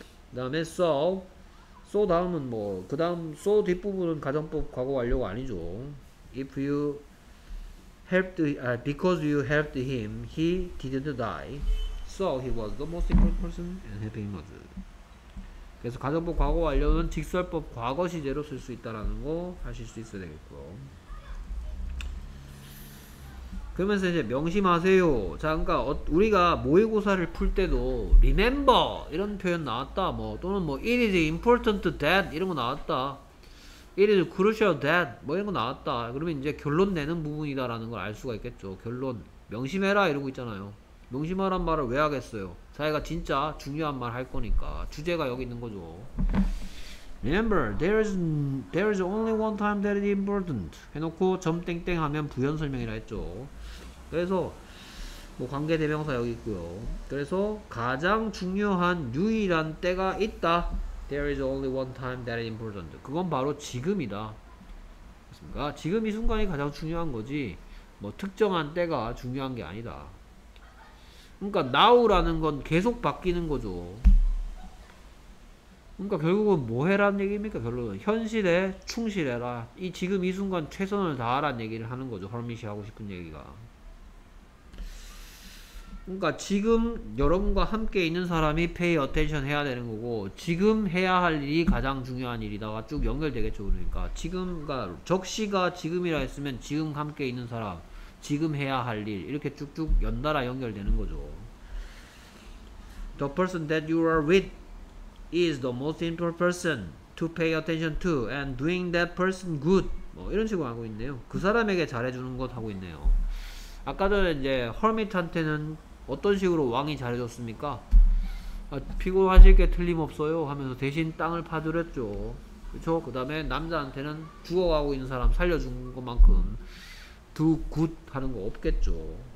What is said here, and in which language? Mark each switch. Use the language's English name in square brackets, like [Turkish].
[Korean] 그 다음에 so 다음은 뭐 그 다음 so 뒷부분은 가정법 과거 완료가 아니죠. [English] if you helped because you helped him he didn't die so he was the most important person and helping him was. [Korean] 그래서 가정법 과거 완료는 직설법 과거 시제로 쓸 수 있다라는 거 하실 수 있어야 되겠고. 그러면서 이제 명심하세요. 자, 그러니까 우리가 모의고사를 풀 때도 remember 이런 표현 나왔다. 뭐 또는 뭐 it is important that 이런 거 나왔다. It is crucial that 뭐 이런 거 나왔다. 그러면 이제 결론 내는 부분이다 라는 걸 알 수가 있겠죠. 결론 명심해라 이러고 있잖아요. 명심하란 말을 왜 하겠어요. 자기가 진짜 중요한 말 할 거니까 주제가 여기 있는 거죠. [English] Remember there is only one time that is important 해놓고 점땡땡 하면 부연 설명이라 했죠. [Korean] 그래서 뭐 관계대명사 여기 있고요. 그래서 가장 중요한 유일한 때가 있다. [English] There is only one time that is important. [Korean] 그건 바로 지금이다. 그렇습니까? 지금 이 순간이 가장 중요한 거지 뭐 특정한 때가 중요한 게 아니다. 그러니까 now라는 건 계속 바뀌는 거죠. 그러니까 결국은 뭐 해라는 얘기입니까? 결론은 현실에 충실해라. 이 지금 이 순간 최선을 다하라는 얘기를 하는 거죠. 허미시 하고 싶은 얘기가. 그러니까 지금 여러분과 함께 있는 사람이 pay attention 해야 되는 거고, 지금 해야 할 일이 가장 중요한 일이다가 쭉 연결되겠죠. 그러니까 지금과 적시가 지금이라 했으면 지금 함께 있는 사람, 지금 해야 할 일, 이렇게 쭉쭉 연달아 연결되는 거죠. [English] The person that you are with is the most important person to pay attention to and doing that person good. [Korean] 뭐 이런 식으로 하고 있네요. 그 사람에게 잘해주는 것 하고 있네요. 아까 전에 이제 허밋한테는 어떤 식으로 왕이 잘해줬습니까? 아, 피곤하실 게 틀림없어요 하면서 대신 땅을 파주랬죠. 그쵸? 그 다음에 남자한테는 죽어가고 있는 사람 살려준 것만큼 do good 하는 거 없겠죠.